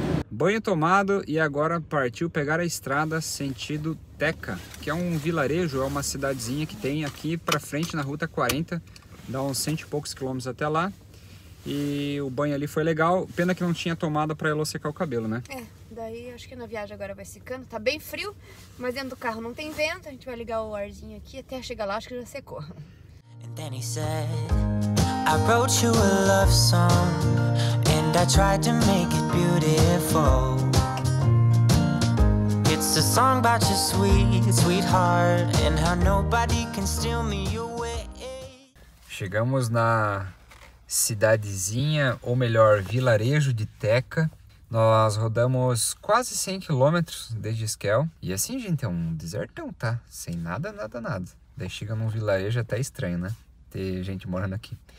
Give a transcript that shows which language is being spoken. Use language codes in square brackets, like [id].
[pt] Banho tomado e agora partiu pegar a estrada sentido Teca, que é um vilarejo, é uma cidadezinha que tem aqui para frente na Ruta 40, dá uns cento e poucos quilômetros até lá. E o banho ali foi legal, pena que não tinha tomada para ela secar o cabelo, né? É, daí acho que na viagem agora vai secando, tá bem frio, mas dentro do carro não tem vento, a gente vai ligar o arzinho aqui até chegar lá, acho que já secou. [en] And then he said, I wrote you a love song. I tried to make it beautiful. It's a song about your sweetheart and how nobody can steal me away. [pt] Chegamos na cidadezinha, ou melhor, vilarejo de Teca. Nós rodamos quase 100 km desde Esquel. E assim, gente, é um desertão, tá? Sem nada, nada, nada. Daí chega num vilarejo até estranho, né? Ter gente morando aqui.